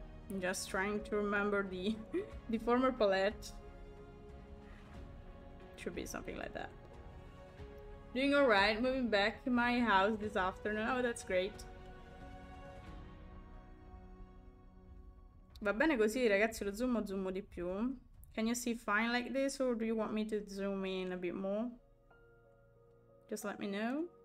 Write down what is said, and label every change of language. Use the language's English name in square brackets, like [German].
[English] I'm just trying to remember the former palette. Should be something like that. Doing all right, moving back to my house this afternoon. Oh, that's great. [Italian] Va bene così, ragazzi, lo zoomo di più. [English] Can you see fine like this or do you want me to zoom in a bit more? Just let me know.